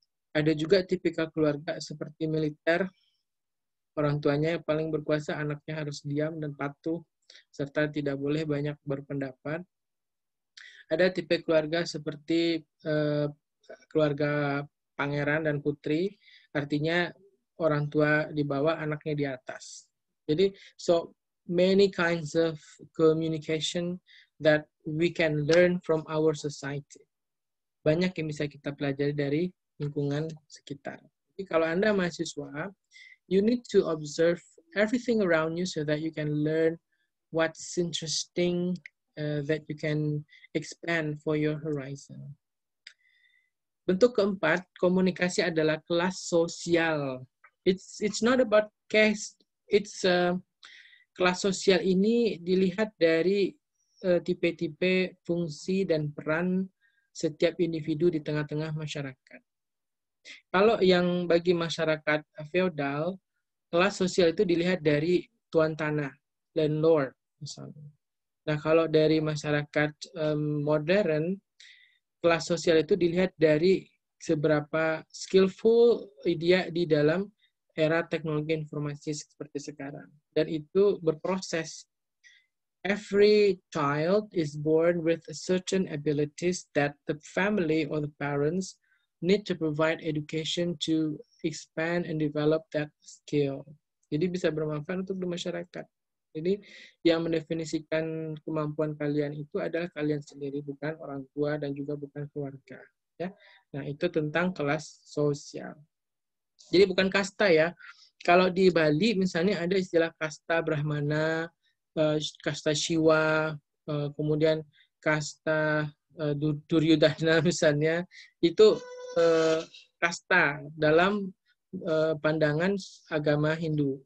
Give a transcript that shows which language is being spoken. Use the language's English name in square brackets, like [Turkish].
[Indonesian] Ada juga tipikal keluarga seperti militer, orang tuanya yang paling berkuasa, anaknya harus diam dan patuh, serta tidak boleh banyak berpendapat. Ada tipe keluarga seperti keluarga pangeran dan putri, artinya orang tua di bawah, anaknya di atas. [English] Jadi, so many kinds of communication that we can learn from our society. [Indonesian] Banyak yang bisa kita pelajari dari lingkungan sekitar. Jadi kalau Anda mahasiswa, [English] you need to observe everything around you so that you can learn what's interesting that you can expand for your horizon. [Indonesian] Bentuk keempat, komunikasi adalah kelas sosial. [English] It's not about caste. [Indonesian] It's kelas sosial ini dilihat dari tipe-tipe fungsi dan peran setiap individu di tengah-tengah masyarakat. Kalau yang bagi masyarakat feodal, kelas sosial itu dilihat dari tuan tanah, landlord misalnya. Nah, kalau dari masyarakat modern, kelas sosial itu dilihat dari seberapa skillful dia di dalam era teknologi informasi seperti sekarang. Dan itu berproses. [English] Every child is born with certain abilities that the family or the parents need to provide education to expand and develop that skill. [Indonesian] Jadi bisa bermanfaat untuk masyarakat. Jadi yang mendefinisikan kemampuan kalian itu adalah kalian sendiri, bukan orang tua dan juga bukan keluarga. Ya, nah itu tentang kelas sosial. Jadi bukan kasta ya. Kalau di Bali misalnya ada istilah kasta Brahmana, kasta Siwa, kemudian kasta Duryodhana misalnya, itu kasta dalam pandangan agama Hindu.